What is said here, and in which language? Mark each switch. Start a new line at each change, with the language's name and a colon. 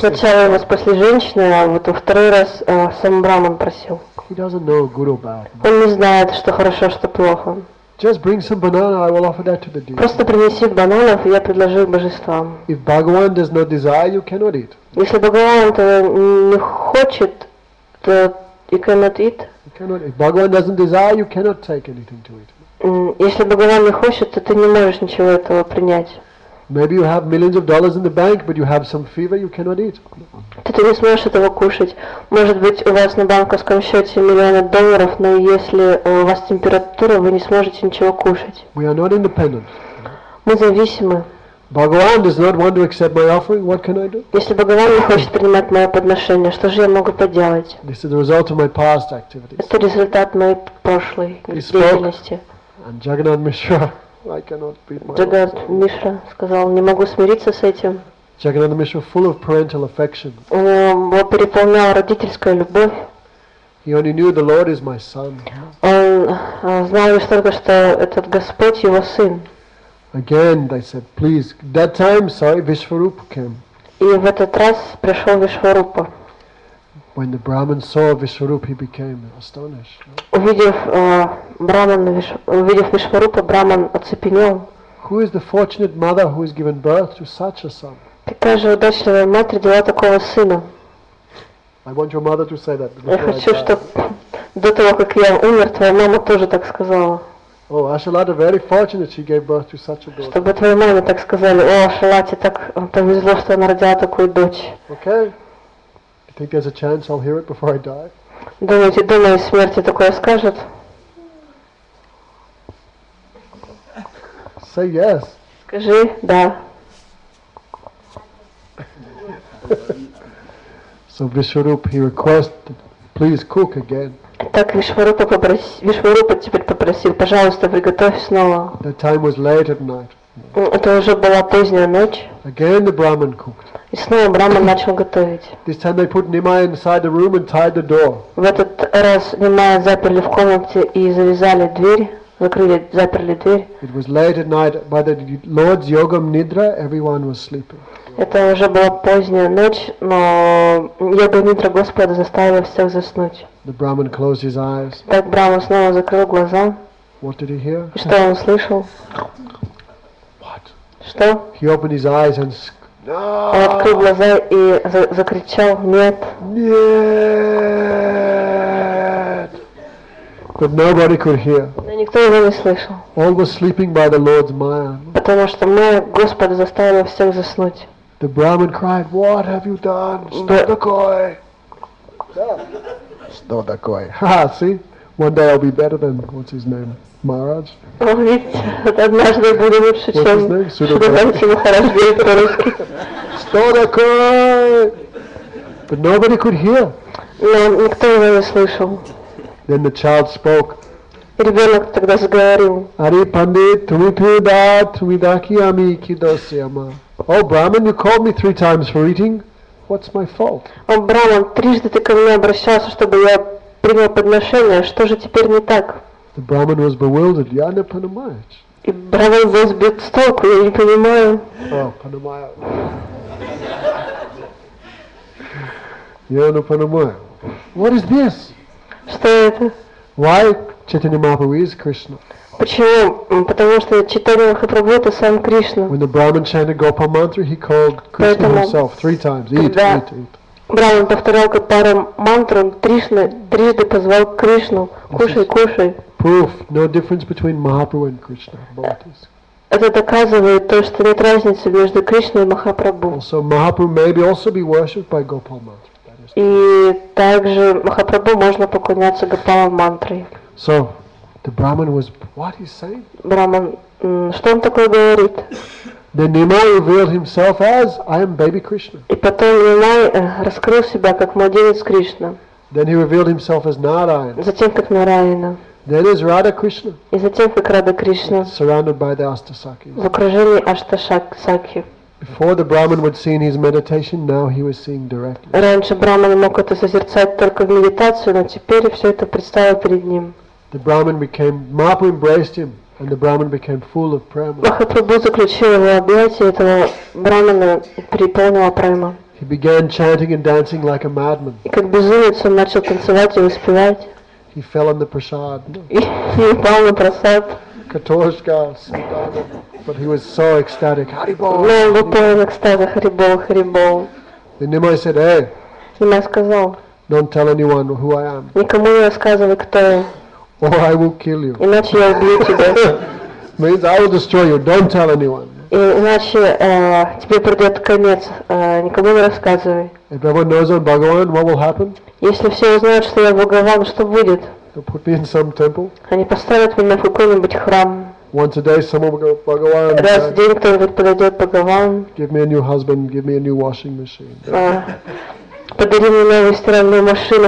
Russian: Сначала его спасли женщины, а вот во второй раз сам Брахман просил.
English: He doesn't know good or bad.
Russian: Он не знает, что хорошо, что плохо.
English: Just bring some banana. I will offer that to the deity.
Russian: Просто принеси бананов, и я предложу их божествам.
English: If Bhagavan does not desire, you cannot eat.
Russian: Если Бхагаван этого не хочет,
English: you cannot eat. You cannot, if Bhagavan doesn't desire, you cannot take anything to eat.
Russian: Если Бхагаван не хочет, то ты не можешь ничего этого принять.
English: Maybe you have millions of dollars in the bank, but you have some fever, you cannot eat.
Russian: Ты не сможешь этого кушать. Может быть, у вас на банковском счете миллионы долларов, но если у вас температура, вы не сможете ничего кушать.
English: We are not independent.
Russian: Мы зависимы.
English: Bhagavan does not want to accept my offering. What can I do?
Russian: Если Бхагаван не хочет принимать мое подношение, что же я могу поделать?
English: This is the result of my past activities.
Russian: Это результат моей прошлой деятельности.
English: And Jagannath Mishra, I cannot beat my.
Russian: Jagannath Mishra сказал, не могу смириться с этим.
English: Jagannath Mishra, full of parental affection.
Russian: Он переполнял родительская любовь.
English: He only knew the Lord is my son.
Russian: Он знал лишь только, что этот Господь его сын.
English: Again, they said, please. That time, sorry, Vishwarupa came.
Russian: И в этот раз пришел Вишварупа.
English: When the Brahmin saw Vishwarupa, he became astonished.
Russian: Увидев Вишварупа, Брахман оцепенел.
English: Who is the fortunate mother who has given birth to such a son?
Russian: Какая же удачливая мать родила такого сына?
English: I want your mother to say that.
Russian: Я хочу, чтобы до того, как я умер, твоя мама тоже так сказала.
English: Oh, Ашалата, very fortunate she gave birth to such a daughter.
Russian: Чтобы твоя мама так сказала, о, Ашалате, так повезло, что она родила такую дочь.
English: Okay. You think there's a chance I'll hear it before I die?
Russian: Думаете, думаю, смерти такое скажет?
English: Say yes.
Russian: Скажи да.
English: So Vishwarupa, he requested, please cook again.
Russian: Так Вишварупа теперь попросил, пожалуйста, приготовь снова.
English: The time was late at night.
Russian: Это уже была поздняя ночь.
English: Again the Brahmin cooked.
Russian: И снова Брахман начал готовить.
English: This time they put Nimaya inside the room and tied the door.
Russian: В этот раз Нимая заперли в комнате и завязали дверь, заперли дверь.
English: It was late at night, by the Lord's Yogam Nidra, everyone was sleeping.
Russian: Это уже была поздняя ночь, но йога-нидра Господа заставила всех заснуть.
English: The Brahmin closed his eyes.
Russian: Так Брахман снова закрыл глаза.
English: What did he hear?
Russian: И что он слышал?
English: What?
Russian: Что?
English: He opened his eyes and
Russian: Он открыл глаза и закричал «Нет!». Нет!
English: But nobody could hear.
Russian: Но никто его не слышал.
English: All were sleeping by the Lord's Maya.
Russian: Потому что Майя Господа заставила всех заснуть.
English: The Brahmin cried, what have you done?
Russian: Что такое? Что такое?
English: Ha-ha, see? One day I'll be better than, what's his name? Maharaj?
Russian: Oh, видите, однажды я буду лучше, чем Шудаканти Махарадж говорит по-русски. Что такое?
English: But nobody could hear.
Russian: Но никто его не слышал.
English: Then the child spoke.
Russian: Ребенок тогда заговорил.
Bangla: Ари пандит, туми туда, туми даки ами кидосияма.
English: Oh, Brahmin, you called me three times for eating. What's my fault?
Russian: Oh, Brahmin, трижды ты ко мне обращался, чтобы я принял подношение. Что же теперь не так?
English: The Brahmin was bewildered.
Russian: Я не понимаю. И Брахман был сбит с толку, я не понимаю. Oh, понимаю. Я не понимаю.
English: What is this?
Russian: Что это?
English: Why Chaitanya Mahaprabhu is Krishna?
Russian: Почему? Потому что Чайтанья Махапрабху это сам Кришна.
English: When the Brahmin chanted Gopa mantra, he called Krishna
Russian: Поэтому,
English: himself three times. Eat,
Russian: да.
English: Eat, eat.
Russian: Брахман повторял Гопара мантру, Кришна трижды позвал Кришну, кушай, кушай.
English: Proof, no difference between Mahaprabhu and Krishna.
Russian: Это доказывает то, что нет разницы между Кришной и Махапрабху.
English: Also, Mahaprabhu may also be worshipped by Gopal mantra.
Russian: И также Махапрабху можно поклоняться Гопала мантрой.
English: So, the Brahmin was, what he saying?
Russian: Брахман, что он такое говорит?
English: Then Nimai revealed himself as, I am baby Krishna.
Russian: И потом Нимай раскрыл себя как младенец Кришна.
English: Then he revealed himself as Narayana.
Russian: Затем как Нараяна.
English: Then is Radha Krishna.
Russian: И затем как Радха Кришна.
English: Surrounded by the Ashtasakhis.
Russian: В окружении Ашта-сакхи.
English: Before the Brahmin would see in his meditation, now he was seeing directly.
Russian: Раньше Брахман мог это созерцать только в медитации, но теперь все это представил перед ним.
English: The Brahmin became, Mahaprabhu embraced him, and the Brahmin became full of prema.
Russian: Махапрабху заключил его объятия этого Брахмана переполнило према.
English: He began chanting and dancing like a madman.
Russian: И как безумец он начал танцевать и воспевать.
English: He fell on the prasad. He fell on prasad. Katoshka, but he was so ecstatic. Haribol. No, he was so ecstatic. Haribol, Haribol. Then Nimai said, "Hey."
Russian: Nimai сказал.
English: Don't tell anyone who I am.
Russian: Никому не рассказывай, кто я.
English: Or I will kill you.
Russian: Иначе я убью тебя.
English: Means I will destroy you. Don't tell anyone.
Russian: Иначе тебе придет конец. Никому не рассказывай.
English: If everyone knows I'm Bhagavan, what will happen?
Russian: Если все узнают, что я Бхагаван, что будет?
English: They'll put me in some temple.
Russian: Они поставят меня в какой-нибудь храм.
English: Once a day, someone will go, Bhagavan.
Russian: Раз в день кто-нибудь подойдет, Бхагаван.
English: Give me a new husband. Give me a new washing machine.
Russian: Подари мне новую стиральную машину.